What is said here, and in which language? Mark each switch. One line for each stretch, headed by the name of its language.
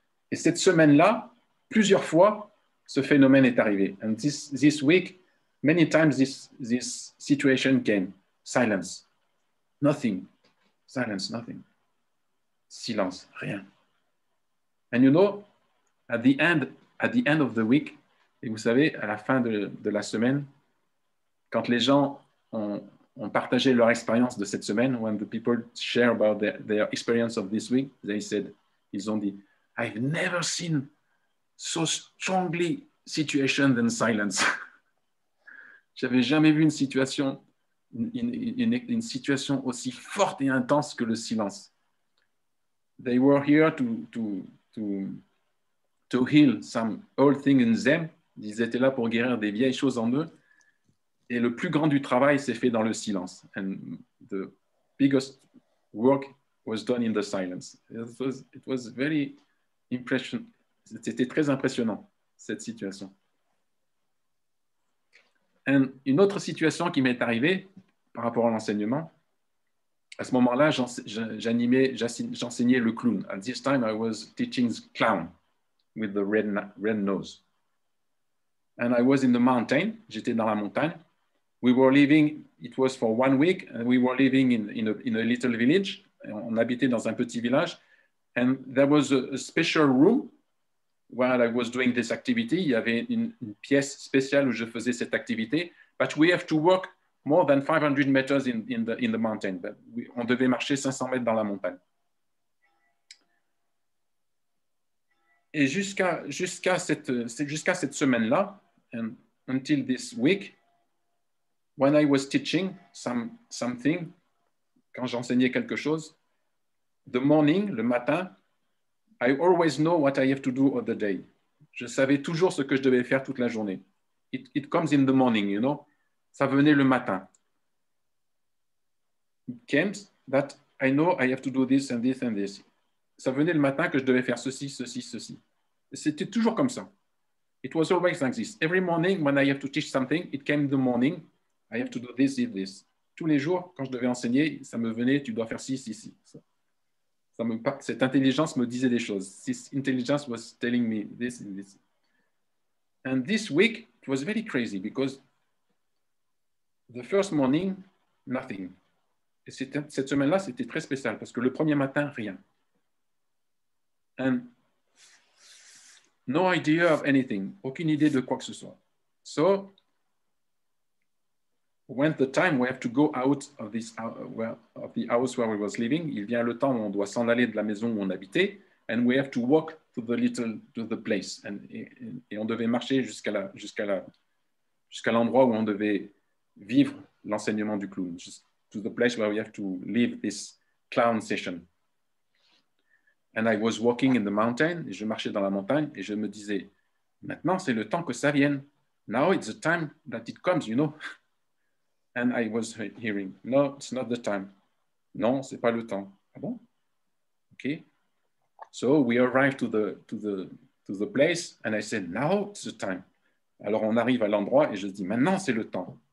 French: Et cette semaine-là, plusieurs fois, ce phénomène est arrivé.
English: And this week, many times this situation came. Silence. Nothing. Silence, nothing. Silence,
French: rien.
English: And you know, at the end of the week,
French: et vous savez, à la fin de la semaine, quand les gens ont partagé leur expérience de cette semaine,
English: when the people share about their experience of this week, they said,
French: ils ont dit,
English: I've never seen so strongly situation than silence.
French: J'avais jamais vu une situation aussi forte et intense que le silence.
English: They were here to heal some old thing in them.
French: Ils étaient là pour guérir des vieilles choses en eux. Et le plus grand du travail s'est fait dans le silence.
English: And the biggest work was done in the silence. It was very impressionant.
French: C'était très impressionnant, cette situation. And une autre situation qui m'est arrivée par rapport à l'enseignement, à ce moment-là, j'enseignais le clown.
English: At this time, I was teaching the clown with the red nose. And I was in the mountain,
French: j'étais dans la montagne.
English: We were living, it was for 1 week, and we were living in a little village.
French: On habitait dans un petit village.
English: And there was a special room while I was doing this activity.
French: Il y avait une pièce spéciale où je faisais cette activité.
English: But we have to walk more than 500 meters in the mountain.
French: But on devait marcher 500 mètres dans la montagne. Et jusqu'à cette semaine-là,
English: and until this week, when I was teaching something,
French: quand j'enseignais quelque chose,
English: the morning,
French: le matin,
English: I always know what I have to do on the day.
French: Je savais toujours ce que je devais faire toute la journée.
English: It comes in the morning, you know.
French: Ça venait le matin.
English: It came that I know I have to do this and this and this.
French: Ça venait le matin que je devais faire ceci, ceci, ceci. C'était toujours comme ça.
English: It was always like this. Every morning when I have to teach something, it came in the morning. I have to do this, this, this.
French: Tous les jours, quand je devais enseigner, ça me venait, tu dois faire ci, ci, ci. cette intelligence me disait des choses.
English: This intelligence was telling me this and this. And this week, it was very crazy because the first morning, nothing.
French: Et cette semaine-là, c'était très spécial parce que le premier matin, rien.
English: And no idea of anything,
French: aucune idée de quoi que ce soit.
English: So, when the time we have to go out of this of the house where we was living,
French: il vient le temps où on doit s'en aller de la maison où on habitait,
English: and we have to walk to the little to the place,
French: et on devait marcher jusqu'à l'endroit où on devait vivre l'enseignement du clown,
English: just to the place where we have to live this clown session. And I was walking in the mountain,
French: et je marchais dans la montagne, et je me disais, maintenant c'est le temps que ça vienne.
English: Now it's the time that it comes, you know. And I was hearing, no, it's not the time.
French: Non, c'est pas le temps. Ah bon?
English: Okay. So we arrived to the place, and I said, now it's the time.
French: Alors on arrive à l'endroit, et je dis, maintenant c'est le temps.